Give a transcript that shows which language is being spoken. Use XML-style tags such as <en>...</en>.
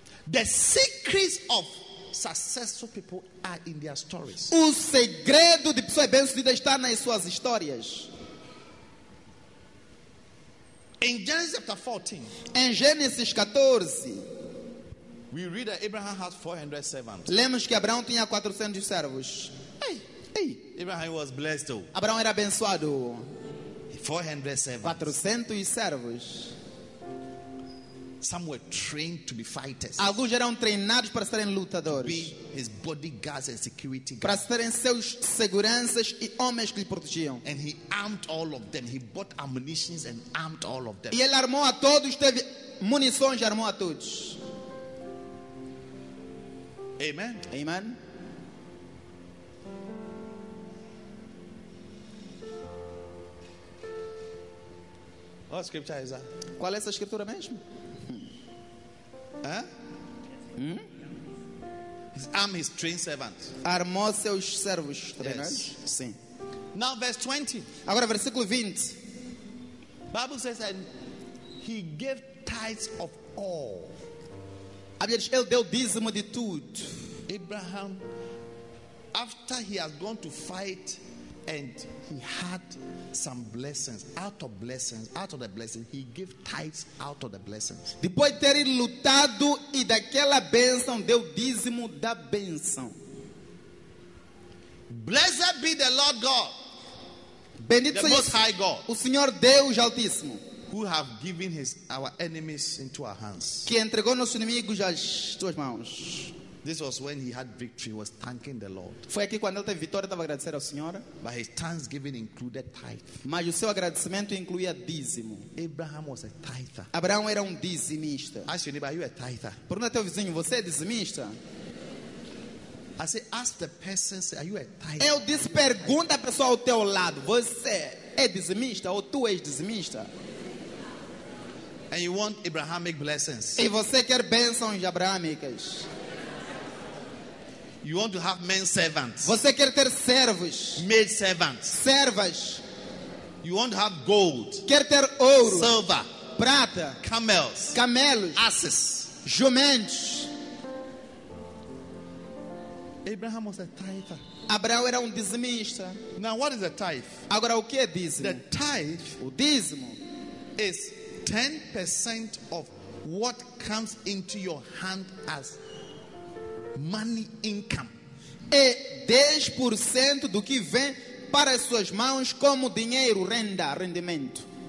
<en>The secrets of successful people are in their stories.</en> <pt>O segredo de pessoas bem-sucedidas está nas suas histórias.</pt> <en>In Genesis chapter 14.</en> <pt>Em Gênesis 14.</pt> <en>We read that Abraham had 400 servants.</en> <pt>Lemos que Abraão tinha 400 servos.</pt> <en>Hey. Abraham was blessed though.</en> <pt>Abraão era abençoado.</pt> <en>400 servants.</en> <pt>400 servos.</pt> <en>Some were trained to be fighters.</en> <pt>Alguns eram treinados para serem lutadores.</pt> <en>To be his bodyguards and security guards.</en> <pt>Para serem seus seguranças e homens que lhe protegiam.</pt> <en>And he armed all of them. He bought ammunitions and armed all of them.</en> <pt>E ele armou a todos, teve munições e armou a todos.</pt> <en>Amen.</en> <pt>Amen.</pt> <en>What scripture is that?</en> <pt>Qual é essa escritura mesmo?</pt> <en>Arm his trained servants.</en> <pt>Armou seus servos treinados.</pt> <en>Yes.</en> <pt>Sim.</pt> <en>Now verse 20.</en> <pt>Agora versículo 20.</pt> <en>Bible says that he gave tithes of all.</en> <pt>A Bíblia diz, ele deu dízimo de tudo.</pt> <en>Abraham, after he has gone to fight and he had some blessings, out of the blessings, he gave tithes out of the blessings.</en> <pt>Depois de ter lutado e daquela bênção, deu dízimo da bênção.</pt> <en>Blessed be the Lord God.</en> <pt>Bendito</pt> <en>the most high God.</en> <pt>O Senhor Deus Altíssimo.</pt> <en>Who have given his our enemies into our hands.</en> <pt>Que entregou nossos inimigos às tuas mãos.</pt> <en>This was when he had victory, he was thanking the Lord.</en> <pt>Foi aqui quando ele teve vitória, estava agradecendo ao Senhor.</pt> <en>But his thanksgiving included tithe.</en> <pt>Mas o seu agradecimento incluía dízimo.</pt> <en>Abraham was a tither.</en> <pt>Abraão era dizimista.</pt> <en>Ask your neighbor, are you a tither?</en> <pt>Pergunta teu vizinho, você é dizimista?</pt> <en>I say, ask the person, say, are you a tither?</en> <pt>Eu disse, pergunta pessoal ao teu lado, você é dizimista ou tu és dizimista?</pt> <en>And you want Abrahamic blessings.</en> <pt>E você quer bênçãos abraâmicas.</pt> <en>You want to have men servants.</en> <pt>Você quer ter servos.</pt> <en>Maid servants.</en> <pt>Servas.</pt> <en>You want to have gold.</en> <pt>Quer ter ouro.</pt> <en>Silver.</en> <pt>Prata.</pt> <en>Camels.</en> <pt>Camelos.</pt> <en>Asses.</en> <pt>Jumentos.</pt> <en>Abraham was a tither.</en> <pt>Abraão era dizimista.</pt> <en>Now what is a tithe?</en> <pt>Agora o que é dízimo?</pt> <en>The tithe.</en> <pt>O dízimo</pt> <en>is 10% of what comes into your hand as money income.</en> <pt>É 10% do que vem para as suas mãos como dinheiro, renda, rendimento.</pt>